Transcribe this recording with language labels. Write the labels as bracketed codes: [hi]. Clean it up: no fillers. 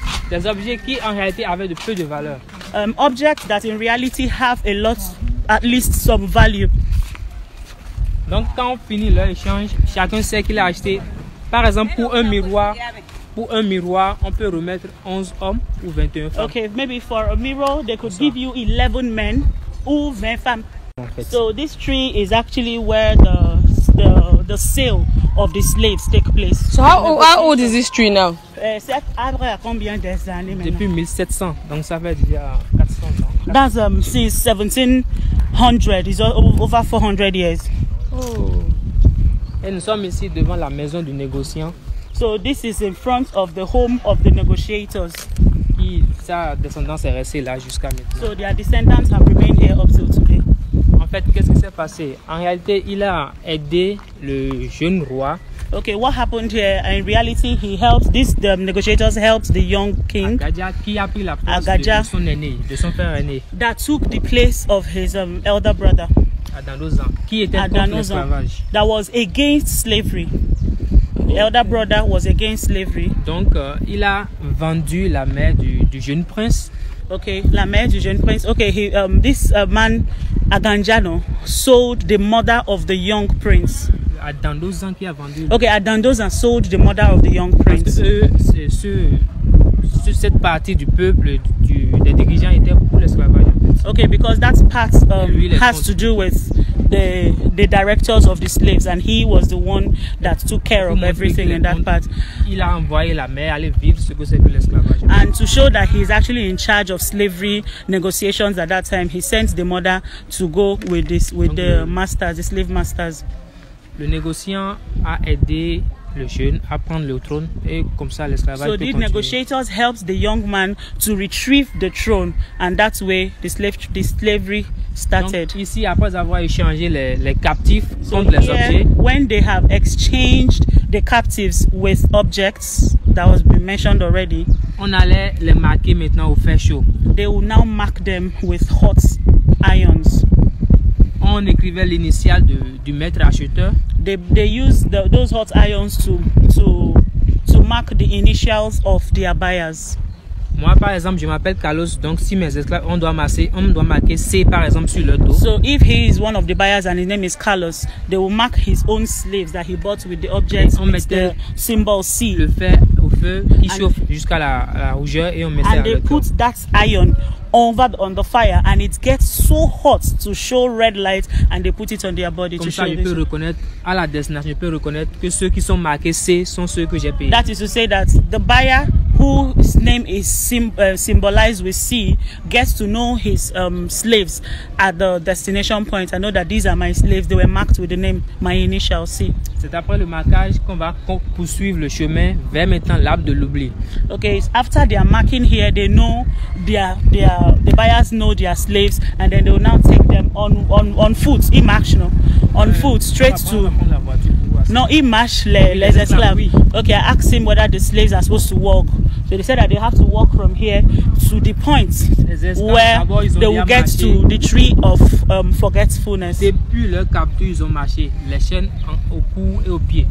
[fr] Des objets qui en réalité avaient de peu de valeur. [en] Objects that in reality have a lot, at least some value. [fr] Donc quand on finit leur échange, chacun sait qu'il a acheté. Par exemple, pour un miroir, on peut remettre 11 hommes ou 21 femmes. [en] Okay, maybe for a mirror, they could give you 11 men [fr] ou 20 femmes. [en] So this tree is actually where the sale of the slaves take place. So how old is this tree now? [fr] Cet arbre a combien d'années maintenant? Depuis 1700, donc ça fait déjà 400 ans. [en] That's since 1700, it's over 400 years. Oh. [fr] Et nous sommes ici devant la maison du négociant. [en] So this is in front of the home of the negotiators. [fr] Sa descendance est restée là jusqu'à maintenant. [en] So their descendants have remained here up till today. [fr] En fait, qu'est-ce qui s'est passé? En réalité, il a aidé le jeune roi. [en] Okay, what happened here? In reality, he helped this the negotiators helped the young king. [fr] Agaja, qui a pris la place Agaja, de son aîné, de son frère aîné. [en] That took the place of his elder brother. [fr] Adanozan, qui était contre l'esclavage. [en] That was against slavery. The elder brother was against slavery. [fr] Donc, il a vendu la mère du jeune prince. Okay, la mère du jeune prince. [en] Okay, this man, Aganjano, sold the mother of the young prince. [fr] Adandozan qui a vendu. [en] Okay, Adandozan sold the mother of the young prince. [fr] Parce que cette partie du peuple, des dirigeants étaient pour l'esclavage. [en] Okay, because that part has to do with the directors of the slaves, and he was the one that took care of everything in that part. [fr] Il a envoyé la mère aller vivre ce que c'est que l'esclavage. [en] And to show that he's actually in charge of slavery negotiations at that time, he sent the mother to go with the slave masters. [fr] Le négociant a aidé le jeune à prendre le trône et comme ça l'esclavage. [en] So the negotiators helped the young man to retrieve the throne, and that's where the slavery started. [fr] Donc ici, après avoir échangé les captifs contre les objets, [en] when they have exchanged the captives with objects that was been mentioned already, [fr] on allait les marquer maintenant au fer chaud. [en] They will now mark them with hot irons. [fr] On écrivait l'initiale du maître acheteur. [en] They use those hot irons to mark the initials of their buyers. [fr] Moi par exemple, je m'appelle Carlos, donc si mes esclaves on doit marquer C par exemple sur leur dos. [en] So if he is one of the buyers and his name is Carlos, they will mark his own slaves that he bought with the objects with the symbol C. [fr] Le fer au feu qui chauffe jusqu'à la rougeur et on mettait. [en] And they put that iron on the fire and it gets so hot to show red light, and they put it on their body. [fr] Comme ça, je peux reconnaître à la destination, je peux reconnaître que ceux qui sont marqués C sont ceux que j'ai payés. [en] That is to say that the buyer whose name is symbolized with C gets to know his slaves at the destination point. I know that these are my slaves, they were marked with the name, my initial C. [fr] C'est après le marquage qu'on va poursuivre le chemin vers maintenant l'arbre de l'oubli. [en] Okay, after they are marking here, they know the buyers know their slaves, and then they will now take them on foot, in march, no? On foot, straight to... No, in march, [fr] les esclaves. [en] Okay, I asked him whether the slaves are supposed to walk. So they said that they have to walk from here to the point where they will get to the tree of forgetfulness. [fr] Depuis leur capture, ils ont marché les chaînes au cou et au pied.